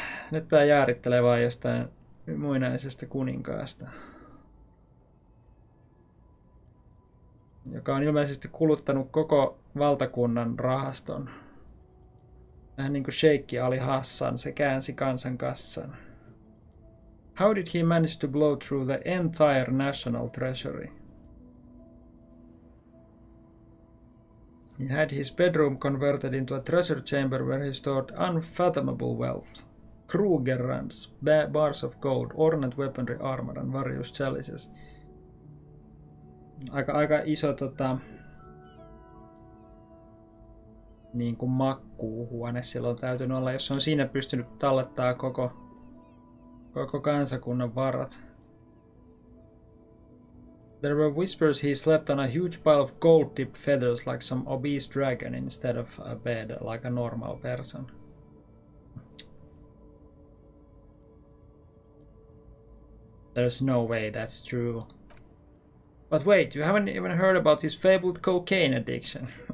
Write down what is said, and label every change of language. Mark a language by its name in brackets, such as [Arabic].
[Finnish] Nyt tää jaarittelee vaan jostain muinaisesta kuninkaasta. Joka on ilmeisesti kuluttanut koko valtakunnan rahaston. Vähän niinku Sheikki Ali Hassan, se käänsi kansan kassan. [English] How did he manage to blow through the entire national treasury? He had his bedroom converted into a treasure chamber where he stored unfathomable wealth. Kruger runs, bars of gold, ornate weaponry, armor and various chalices. [Finnish] Aika iso tota, niin kuin makkuuhuone sillä on täytynyt olla, jos on siinä pystynyt tallettaa koko kansakunnan varat. [English] There were whispers he slept on a huge pile of gold-tipped feathers like some obese dragon instead of a bed like a normal person. There's no way that's true. But wait, you haven't even heard about his fabled cocaine addiction.